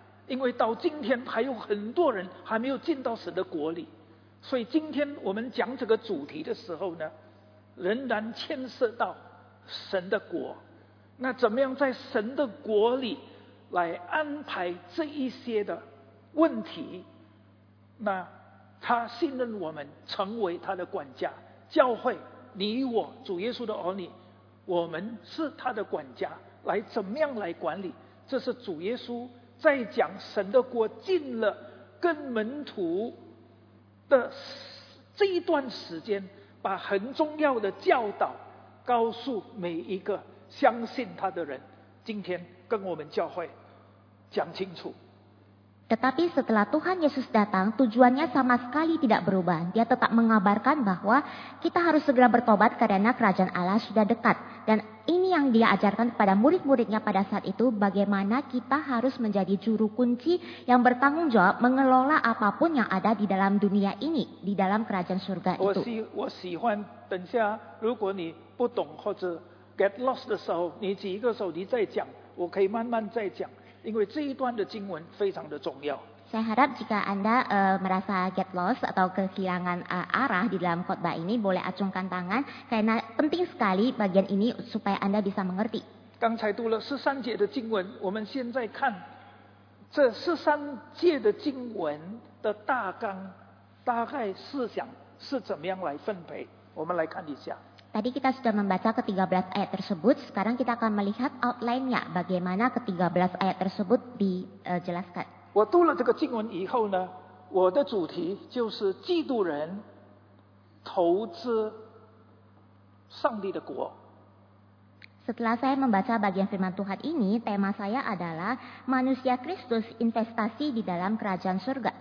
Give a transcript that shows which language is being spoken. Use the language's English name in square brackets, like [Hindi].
[Indonesian] Karena sampai hari ini, ada banyak orang yang belum masuk ke Tuhan. [Chinese] 所以今天我们讲这个主题的时候呢，仍然牵涉到神的国。那怎么样在神的国里来安排这一些的问题？那他信任我们成为他的管家，教会你我主耶稣的儿女，我们是他的管家，来怎么样来管理？这是主耶稣在讲神的国进了跟门徒的这一段时间，把很重要的教导告诉每一个相信他的人，今天跟我们教会讲清楚。 [Indonesian] Tetapi setelah Tuhan Yesus datang, tujuannya sama sekali tidak berubah. Dia tetap mengabarkan bahwa kita harus segera bertobat karena kerajaan Allah sudah dekat. Dan ini yang dia ajarkan kepada murid-muridnya pada saat itu, bagaimana kita harus menjadi juru kunci yang bertanggung jawab mengelola apapun yang ada di dalam dunia ini, di dalam kerajaan surga itu. [Chinese] 我喜欢, 等下如果你不懂或者 [English] get lost [Chinese] 的时候，你举一个手机再讲，我可以慢慢再讲。因为这一段的经文非常的重要。 [Indonesian] Saya harap jika anda merasa [English] get lost [Indonesian] atau kehilangan arah di dalam khotbah ini, boleh acungkan tangan, karena penting sekali bagian ini supaya anda bisa mengerti. [Chinese] 刚才读了十三节的经文，我们现在看这十三节的经文的大纲，大概思想是怎么样来分配，我们来看一下。 [Indonesian] Tadi kita sudah membaca ke-13 ayat tersebut, sekarang kita akan melihat outline-nya, bagaimana ke-13 ayat tersebut dijelaskan. [Chinese] 我读了这个经文以后呢，我的主题就是基督人投资上帝的国。 [Indonesian] Setelah saya membaca bagian firman Tuhan ini, tema saya adalah manusia Kristus investasi di dalam kerajaan surga.